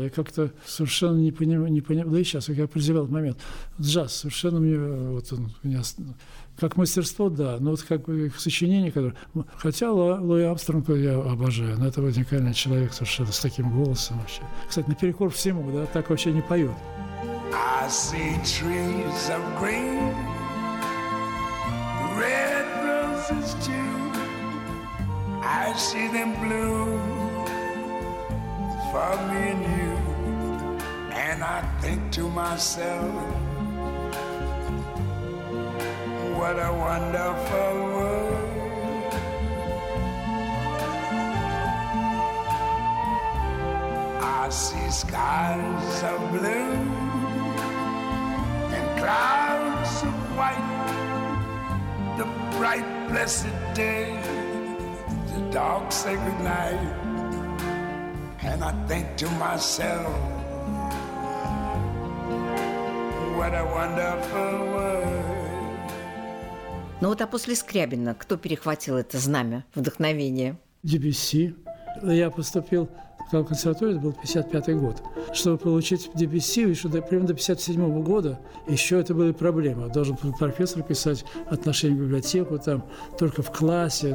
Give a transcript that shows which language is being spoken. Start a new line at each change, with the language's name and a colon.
Russian: Я как-то совершенно не понимал. Да и сейчас, как я призывал этот момент. Джаз совершенно мне... Вот он, меня, как мастерство, да, но вот как в сочинении, которое... Хотя Луи Амстронга я обожаю, но это уникальный человек совершенно с таким голосом вообще. Кстати, наперекор всему, да, так вообще не поет.
English: I see trees of green, red roses too. I see them blue for me and you. And I think to myself, what a wonderful world. I see skies of blue and clouds of white. The bright blessed day, the dark sacred night. And I think to myself, what a wonderful world.
Russian: Ну вот, а после Скрябина кто перехватил это знамя, вдохновение? Дебюсси. Я поступил в консерваторию, это был 55-й год. Чтобы получить Дебюсси, еще примерно до 57-го года, еще это были проблемы. Должен был профессор писать отношение к библиотеку, там, только в классе.